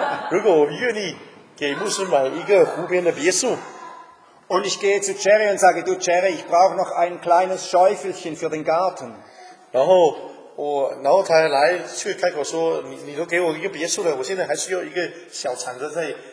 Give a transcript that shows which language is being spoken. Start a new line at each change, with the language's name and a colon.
Chinese: 如果我愿意给牧师买一个湖边的别墅,
German: und ich gehe zu Jerry und sage, du Jerry, ich brauche noch ein kleines Schäufelchen für den Garten.
Chinese: 然后他来却开口说，你都给我一个别墅了，我现在还需要一个小铲子在。